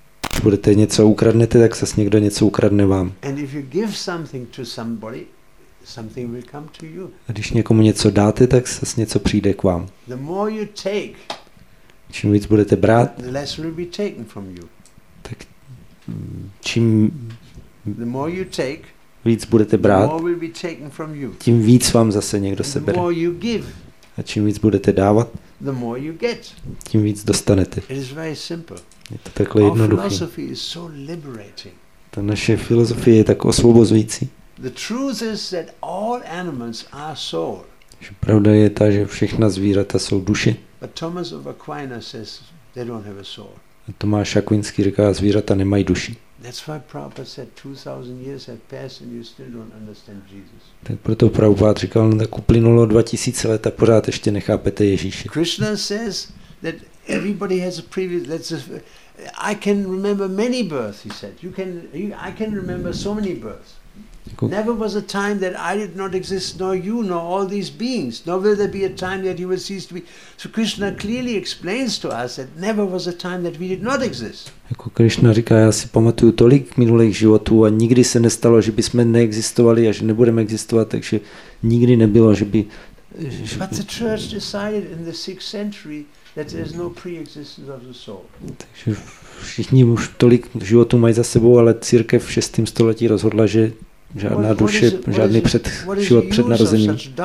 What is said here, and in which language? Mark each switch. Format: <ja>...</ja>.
<cs>Když budete něco ukradnete, tak zase někdo něco ukradne vám.</cs> <en>And if you give something to somebody, something will come to you.</en> <cs>A když někomu něco dáte, tak zase něco přijde k vám.</cs> <en>The more you take,</en> <cs>čím víc budete brát,</cs> <en>the less will be taken from you.</en> <cs>Tak čím</cs> <en>the more you take,</en> <cs>víc budete brát,</cs> <en>the more will be taken from you.</en> <cs>Tím víc vám zase někdo sebere.</cs> <en>The more you give,</en> <cs>a čím víc budete dávat,</cs> <en>the more you get.</en> <cs>Tím víc dostanete.</cs> <en>It is very simple.</en> <cs>Je to takhle jednoduché.</cs> <en>Our philosophy is so liberating.</en> <cs>Ta naše filozofie je tak osvobozující.</cs> <en>The truth is that all animals are soul.</en> <cs>Pravda je ta, že všechna zvířata jsou duše.</cs> <en>But Thomas of Aquinas says they don't have a soul.</en> <cs>Tomáš Akvinský říká, že zvířata nemají duši.</cs> <en>That's why Prabhupada said 2000 years have passed and you still don't understand Jesus.</en> <cs>Tak proto Prabhupada říkal, že uplynulo 2000 let a pořád ještě nechápete Ježíše.</cs> <en>Krishna says that everybody has a previous, that's a, I can remember many births, he said. You can, I can remember so many births. Never was a time that I did not exist, nor you, nor all these beings. Nor will there be a time that you will cease to be. So Krishna clearly explains to us that never was a time that we did not exist.</en> <cs>Jako Krishna říká, já si pamatuju tolik minulých životů a nikdy se nestalo, že bychom neexistovali a že nebudeme existovat, takže nikdy nebylo, že by.</cs> <en>But the church decided in the 6th century that there is no pre-existence of the soul.</en> <cs>Takže všichni už tolik životů mají za sebou, ale církev v 6. století rozhodla, že žádná duše, žádný před, život před narozením.</cs>